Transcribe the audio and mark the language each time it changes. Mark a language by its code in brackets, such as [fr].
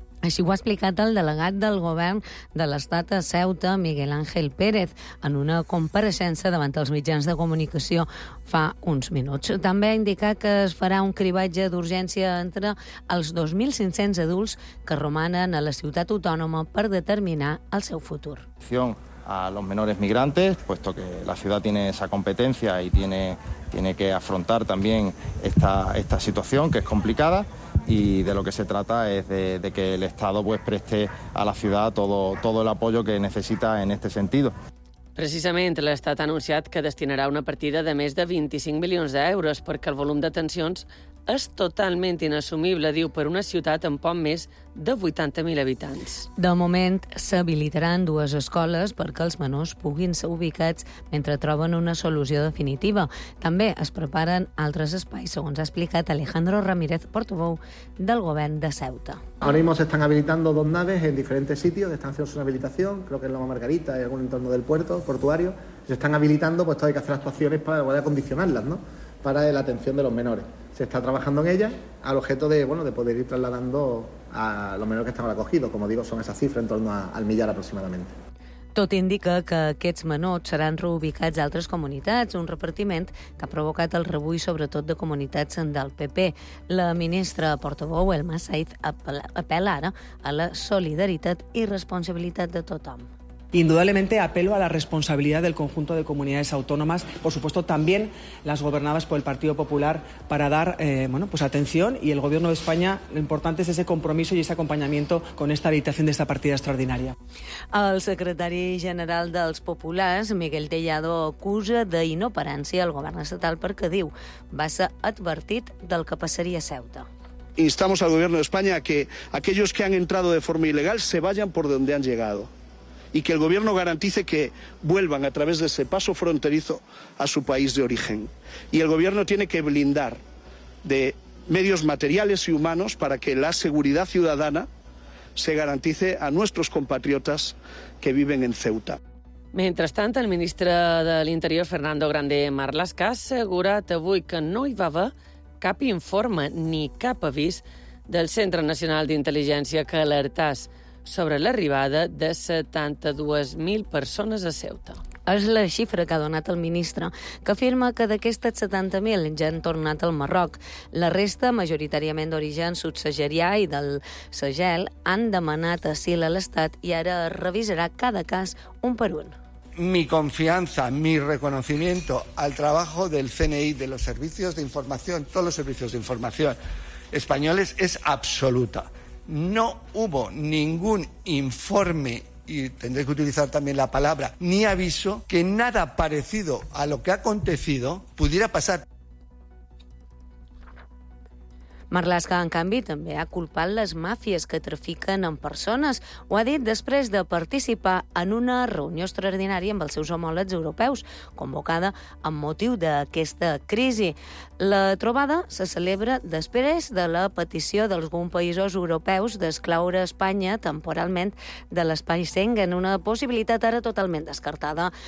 [ca] Així ho ha explicat el delegat del govern de l'estat a Ceuta, Miguel Ángel Pérez, en una compareixença davant els mitjans de comunicació fa uns minuts. També ha indicat que es farà un cribatge d'urgència entre els 2.500 adults que romanen a la ciutat autònoma per determinar el seu futur. [es] A los menores migrantes, puesto que la ciudad tiene esa competencia y tiene que afrontar también esta situación, que es complicada, y de lo que se trata es de que el Estado pues preste a la ciudad todo el apoyo que necesita en este sentido. [ca] Precisament, l'Estat ha anunciat que destinarà una partida de més de 25 milions d'euros perquè el volum de tensions és totalment inassumible, diu, per una ciutat amb poc més de 80.000 habitants. De moment, s'habilitaran dues escoles perquè els menors puguin ser ubicats mentre troben una solució definitiva. També es preparen altres espais, segons ha explicat Alejandro Ramírez, portaveu del govern de Ceuta. [es] Ahora mismo se están habilitando dos naves en diferentes sitios, están haciendo su habilitación, creo que en Loma Margarita y algún entorno del puerto, portuario. Se están habilitando, pues todo hay que hacer actuaciones para poder acondicionarlas, ¿no?, para la atención de los menores. Se está trabajando en ella al objeto de, bueno, de poder ir trasladando a los menores que están acogidos. Como digo, son esas cifras en torno al millar aproximadamente. [ca] Tot indica que aquests menuts seran reubicats a altres comunitats, un repartiment que ha provocat el rebuig, sobretot de comunitats del PP. La ministra portavou, Elma Said, apel·la ara a la solidaritat i responsabilitat de tothom. [es] Indudablemente apelo a la responsabilidad del conjunto de comunidades autónomas, por supuesto también las gobernadas por el Partido Popular, para dar atención, y el Gobierno de España, lo importante es ese compromiso y ese acompañamiento con esta habilitación de esta partida extraordinaria. [ca] El secretari general dels Populars, Miguel Tellado, acusa d'inoperància al govern estatal perquè, diu, va ser advertit del que passaria a Ceuta. [es] Instamos al Gobierno de España a que aquellos que han entrado de forma ilegal se vayan por donde han llegado. Y que el gobierno garantice que vuelvan a través de ese paso fronterizo a su país de origen. Y el gobierno tiene que blindar de medios materiales y humanos para que la seguridad ciudadana se garantice a nuestros compatriotas que viven en Ceuta. [ca] Mentrestant, el ministre de l'Interior, Fernando Grande Marlaska, ha assegurat avui que no hi va haver cap informe ni cap avís del Centre Nacional d'Intel·ligència que alertàs sobre l'arribada de 72.000 persones a Ceuta. És la xifra que ha donat el ministre, que afirma que d'aquestes 70.000 ja han tornat al Marroc. La resta, majoritàriament d'origen subsaharià i del Sahel, han demanat asil a l'Estat i ara es revisarà cada cas un per un. [es] Mi confianza, mi reconocimiento al trabajo del CNI, de los servicios de información, todos los servicios de información españoles, es absoluta. No hubo ningún informe, y tendré que utilizar también la palabra, ni aviso, que nada parecido a lo que ha acontecido pudiera pasar. [ca] Marlaska, en canvi, també ha culpat les màfies que trafiquen en persones. Ho ha dit després de participar en una reunió extraordinària amb els seus homòlegs europeus, convocada amb motiu d'aquesta crisi. La trobada se celebra després de la petició d'alguns països europeus d'excloure Espanya temporalment de l'espai Schengen, una possibilitat ara totalment descartada.